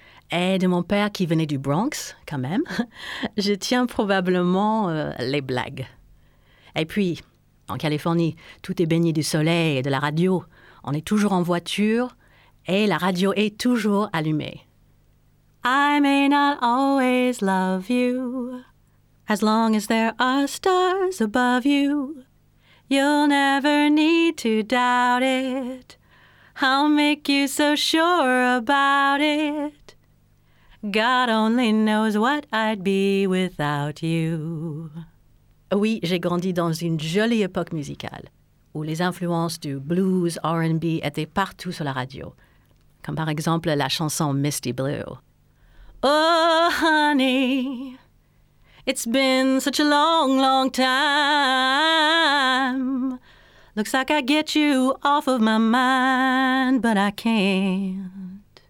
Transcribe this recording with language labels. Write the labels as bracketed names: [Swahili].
[French] Et de mon père, qui venait du Bronx, quand même, je tiens probablement les blagues. Et puis, en Californie, tout est baigné du soleil et de la radio. On est toujours en voiture et la radio est toujours allumée. [English] I may not always love you. As long as there are stars above you, you'll never need to doubt it. I'll make you so sure about it. God only knows what I'd be without you. [French] Oui, j'ai grandi dans une jolie époque musicale où les influences du blues, R&B étaient partout sur la radio. Comme par exemple la chanson Misty Blue. [English] Oh, honey, it's been such a long, long time. Looks like I get you off of my mind, but I can't.